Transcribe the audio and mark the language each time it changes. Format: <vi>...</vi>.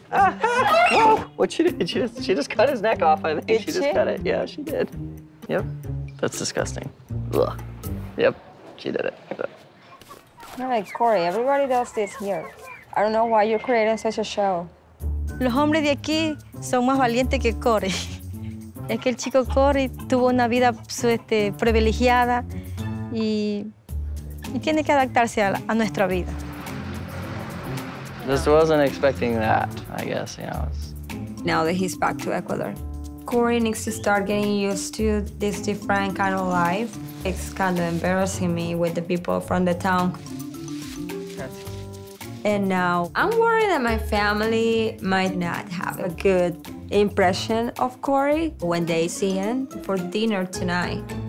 <en>Oh, what she did? She just cut his neck off. I think did she just cut it. Yeah, she did. Yep. That's disgusting. Ugh. Yep. She did it. So. All right, Corey. Everybody does this here. I don't know why you're creating such a show.</en> <es>Los hombres de aquí son más valientes que Corey. Es que el chico Corey tuvo una vida privilegiada y tiene que adaptarse a nuestra vida.</es> <en>Just wasn't expecting that, I guess, you know. Now that he's back to Ecuador, Corey needs to start getting used to this different kind of life. It's kind of embarrassing me with the people from the town. And now I'm worried that my family might not have a good impression of Corey when they see him for dinner tonight.</en>